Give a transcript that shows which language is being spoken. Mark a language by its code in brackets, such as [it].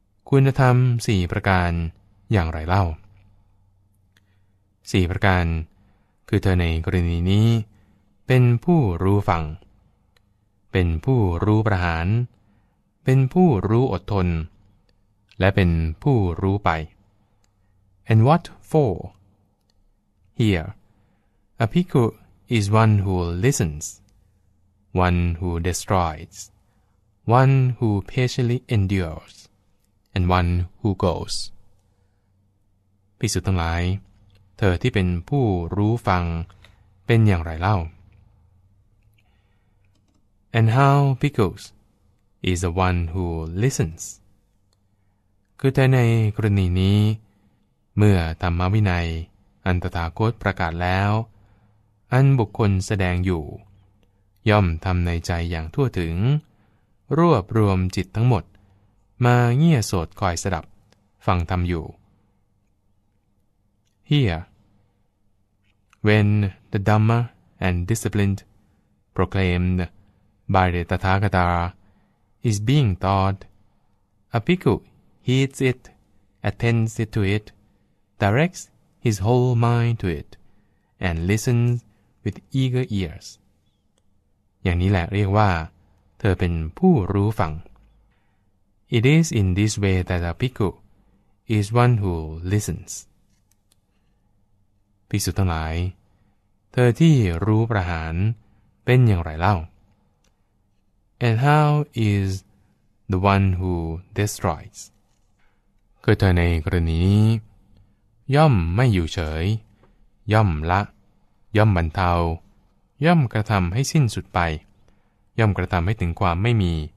[th] คุณธรรมสี่ประการอย่างไรเล่าสี่ประการคือเธอในกรณีนี้เป็นผู้รู้ฟังเป็นผู้รู้ประหารเป็นผู้รู้อดทนและเป็นผู้รู้ไป [en] And what for? Here,A bhikkhu is one who listens, one who destroys, one who patiently endures, and one who goes. [th] ภิกษุทั้งหลายเธอที่เป็นผู้รู้ฟังเป็นอย่างไรเล่า [en] And how, bhikkhus, is the one who listens? [th] คือแต่ในกรณีนี้เมื่อธรรมวินัยอันตถาคตประกาศแล้วอันบุคคลแสดงอยู่ย่อมทำในใจอย่างทั่วถึงรวบรวมจิตทั้งหมดมาเงี่ยโสดคอยสดับฟังธรรมอยู่ [en] Here, when the Dhamma and disciplined proclaimed by the Tathagata is being taught, a bhikkhu heeds it, attends it to it, directs his whole mind to it, and listensWith eager ears. [th] อย่างนี้แหละเรียกว่าเธอเป็นผู้รู้ฟัง [en] It is in this way that a bhikkhu is one who listens. [th] ภิกษุทั้งหลายเธอที่รู้ประหารเป็นอย่างไรเล่า [en] And how is the one who destroys? [th] คือเธอในกรณีนี้ย่อมไม่อยู่เฉยย่อมละย่อมบรรเทาย่อมกระทำให้สิ้นสุดไปย่อมกระทำให้ถึงความไม่มี